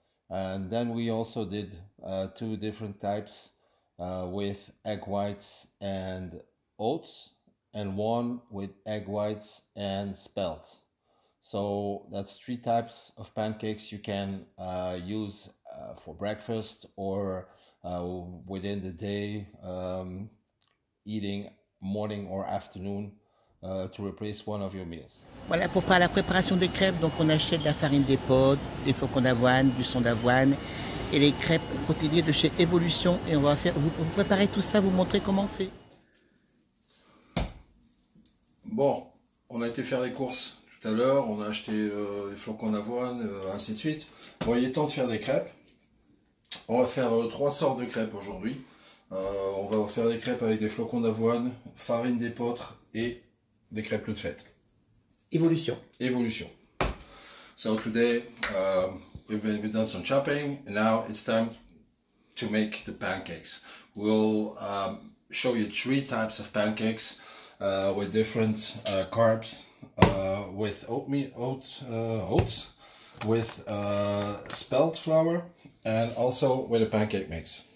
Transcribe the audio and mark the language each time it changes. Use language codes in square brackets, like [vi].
[en] And then we also did two different types with egg whites and oats, and one with egg whites and spelt. So that's three types of pancakes you can use for breakfast or within the day, eating morning or afternoon to replace one of your meals. [fr] Voilà, pour faire la préparation des crêpes, donc on achète de la farine des pâtes, des flocons d'avoine, du son d'avoine et les crêpes protéinées de chez Evolution. Et on va faire vous préparer tout ça, vous montrer comment on fait. Bon, on a été faire les courses tout à l'heure, on a acheté les flocons d'avoine, ainsi de suite. Bon, il est temps de faire des crêpes. On va faire trois sortes de crêpes aujourd'hui. On va faire des crêpes avec des flocons d'avoine, farine d'épeautre et des crêpes toutes faites. Evolution. Évolution. [en] So today, we've done some chopping, and now it's time to make the pancakes. We'll show you three types of pancakes. With different carbs, with oatmeal, oats, with spelt flour, and also with a pancake mix.